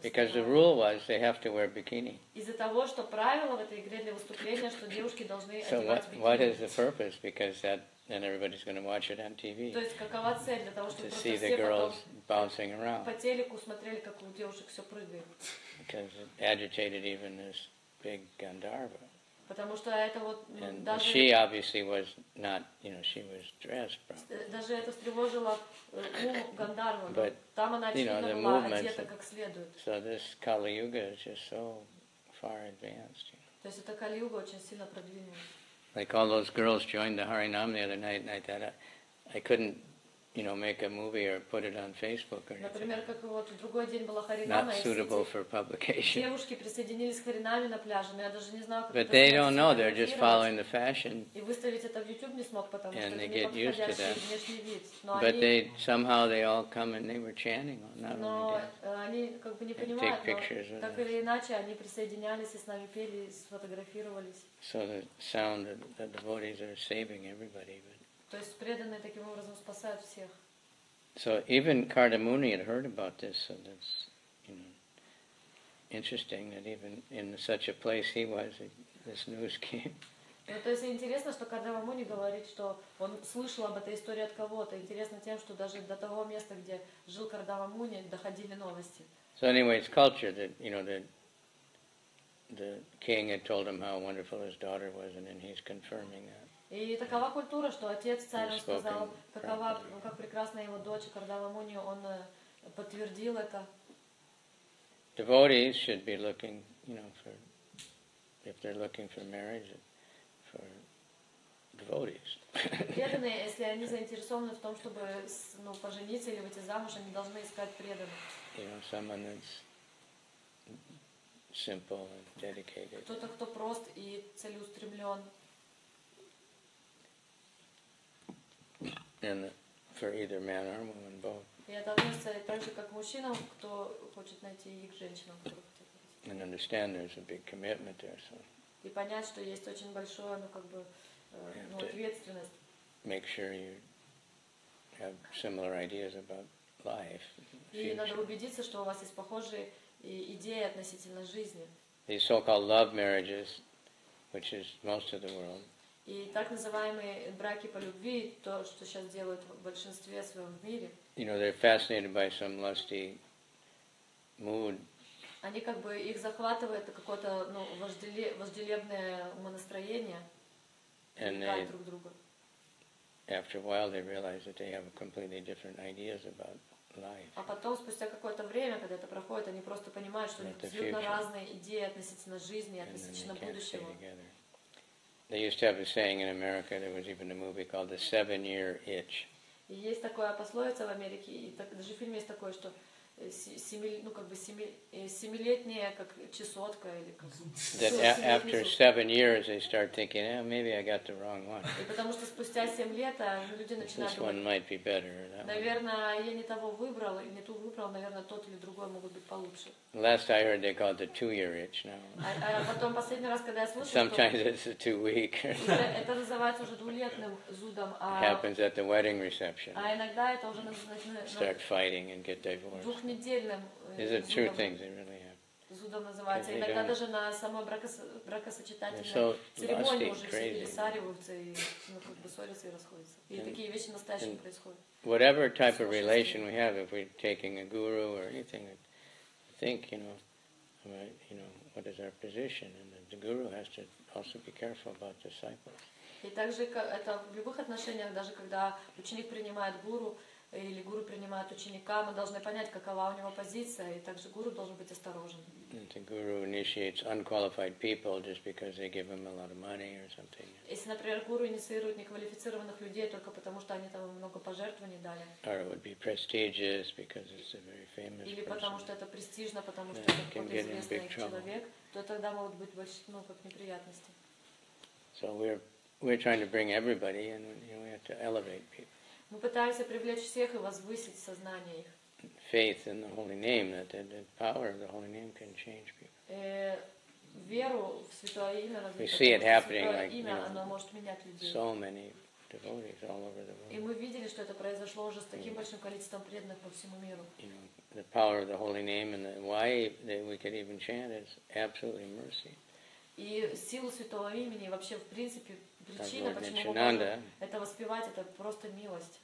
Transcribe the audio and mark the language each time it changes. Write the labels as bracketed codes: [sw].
[en] Because the rule was they have to wear bikini. [ru] Из-за того, что правило в этой игре для выступления, что девушки должны одеваться в [en] bikini. So what is the purpose? Because that then everybody's going to watch it on TV. [ru] То есть какова цель для того, чтобы [en] to see the girls bouncing around. [ru] По телеку смотрели, как у девушек все прыгает. [en] Because it agitated even this big Gandharva. [ru] Потому что это вот [en] and [ru] даже [en] she obviously was not, you know, she was dressed properly. [ru] Даже это встревожило Гандарву. [en] But [ru] там она [en] you know, [ru] была одета [en] that, [ru] как следует. [en] So this Kali Yuga is just so far advanced. You know. [ru] То есть эта Кали Юга очень сильно продвинулась. [en] Like all those girls joined the Harinam the other night, and I thought I couldn't, you know, make a movie or put it on Facebook or anything. [ru] Например, как вот в другой день была Харинама. [en] Not suitable for publication. [ru] Девушки присоединились к Харинаме на пляже, но я даже не знаю, как. [en] But they don't know; they're just following the fashion. [ru] И выставить это в YouTube не смог, потому что [en] they get used to that. But they somehow they all come and they were chanting. [ru] Но они как бы не понимают, но так или иначе они присоединялись и с нами пели, сфотографировались. [en] So the sound of the devotees are saving everybody. [ru] То есть преданные таким образом спасают всех. [en] So even Kardamuni had heard about this, so that's you know, interesting that even in such a place he was, this news came. [ru] Ну, то есть интересно, что Кардамуни говорит, что он слышал об этой истории от кого-то. Интересно тем, что даже до того места, где жил Кардамуни, доходили новости. [en] So anyway, it's culture that, you know, that the king had told him how wonderful his daughter was, and then he's confirming that. [ru] И такова культура, что отец царя сказал, какова, как прекрасна его дочь, Кардава Муни, он подтвердил это. [en] Devotees should be looking, you know, for, if they're looking for marriage, for devotees. [ru] Преданные, если они заинтересованы в том, чтобы, ну, пожениться или выйти замуж, они должны искать преданных. [en] You know, someone that's simple and dedicated. [ru] Кто-то, кто прост и целеустремлен. [en] And for either man or woman, both. [ru] И это относится так же, как мужчинам, кто хочет найти их женщину. [en] And understand there's a big commitment there, so. [ru] И понять, что есть очень большое, ну как бы, ну ответственность. [en] Make sure you have similar ideas about life. [ru] И надо убедиться, что у вас есть похожие идеи относительно жизни. [en] These so-called love marriages, which is most of the world. [ru] И так называемые браки по любви, то, что сейчас делают в большинстве своем в мире. [en] You know, they're fascinated by some lusty mood. [ru] Они как бы их захватывает какое-то ну, вожделебное умонастроение. [en] And they, [ru] друг друга. [en] After a while they realize that they have completely different ideas about life. [ru] А потом, спустя какое-то время, когда это проходит, они просто понимают, что у них абсолютно разные идеи относительно жизни, относительно будущего. [en] They used to have a saying in America, there was even a movie called The 7-Year Itch. [ru] Есть такое пословица в Америке, и даже в фильме есть такое, что семилетняя как чесотка или как. [en] That after 7 years they start thinking, eh, maybe I got the wrong one. [ru] И потому что спустя 7 лет люди начинают думать. [en] This one might be better. [ru] Наверное, я не того выбрал, не ту выбрал, наверное, тот или другой могут быть получше. [en] Last I heard, they call it the 2-year itch now. [ru] Потом последний раз, когда я слышал. [en] Sometimes it's a 2-week. [ru] Это называется уже двулетним зудом. [en] Happens at the wedding reception. [ru] А иногда это уже начинает. [en] Start fighting and get divorced. Is it true things they really have? [ru] Зудом называется. Иногда даже на самой бракосочетательной церемонии уже все пересаливаются и как бы ссорятся и расходятся. И такие вещи настоящие происходят. [en] Whatever type of relation we have, if we're taking a guru or anything, think, you know, what is our position? And the guru has to also be careful about disciples. [ru] И также это в любых отношениях, даже когда ученик принимает гуру, или гуру принимает ученика, мы должны понять, какова у него позиция, и также гуру должен быть осторожен. [en] The guru initiates unqualified people just because they give him a lot of money or something. [ru] Если, например, гуру инициирует неквалифицированных людей только потому, что они там много пожертвований дали. [en] Or it would be prestigious because it's a very famous. [ru] Или потому что это престижно, потому что это какой-то известный человек, то тогда могут быть большие, ну, как неприятности. [en] So we're trying to bring everybody, and we have to elevate people. [ru] Мы пытаемся привлечь всех и возвысить сознание их. [en] Faith in the holy name, that the power of the holy name can change people. [ru] Веру в святое имя. [en] We see it happening, like so many devotees all over the world. [ru] И мы видели, что это произошло уже с таким большим количеством преданных по всему миру. [en] The power of the holy name and why we could even chant is absolutely mercy. [ru] И силу святого имени вообще в принципе. Причина, почему это воспевать, это просто милость.